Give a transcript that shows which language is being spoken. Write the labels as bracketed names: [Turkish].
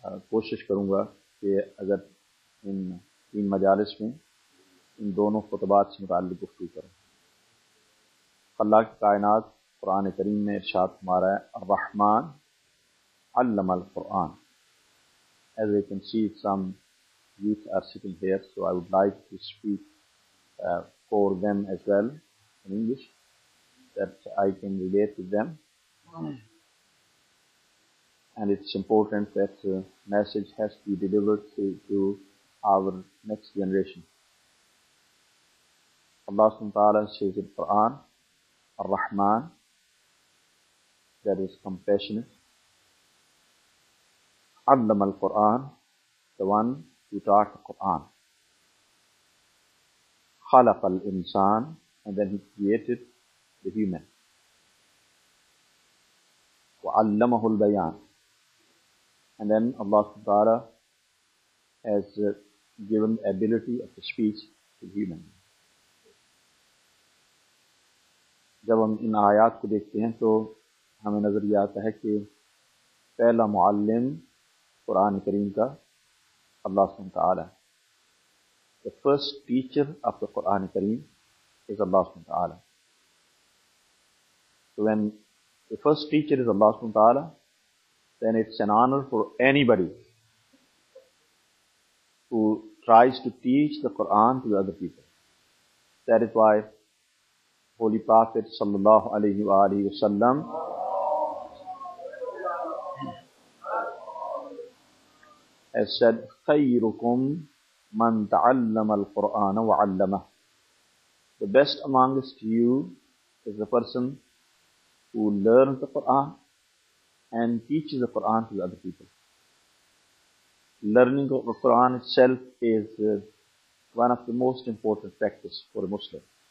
[Urdu] کوشش کروں گا کہ اگر ان تین مجالس میں ان دونوں خطبات سے متعلق گفتگو کریں۔ خلاق کائنات قرآن کریم میں ارشاد فرمایا ہے [Arabic] الرحمن علم القرآن۔ [English] As you can see, some youth are sitting here, so I would like to speak for them as well in English, that I can relate with them. And it's important that the message has to be delivered to our next generation. Allah subhanahu wa ta'ala says in Quran, Ar-Rahman, that is compassionate, [Arabic] علم القرآن، [English] the one who taught the Quran. [Arabic] خلق الانسان، [English] and then he created the human. [Arabic] وعلمه البيان، [English] and then Allah Ta'ala has given the ability of the speech to the human. [Urdu] جب ہم ان آیات کو دیکھتے ہیں تو ہمیں نظر یہ آتا ہے کہ پہلا معلم قرآن کریم کا اللہ سبحانہ وتعالی ہے۔ [English] The first teacher of the Quran کریم is Allah سبحانہ وتعالی۔ So when the first teacher is Allah سبحانہ وتعالی, then it's an honor for anybody who tries to teach the Quran to other people. That is why Holy Prophet صلی Allah علیہ وآلہ وسلم has said, [Arabic] خَيْرُكُمْ مَنْ تَعَلَّمَ الْقُرْآنَ وَعَلَّمَهُ. [English] The best amongst you is the person who learns the Qur'an and teaches the Qur'an to the other people. Learning the Qur'an itself is one of the most important factors for a Muslim.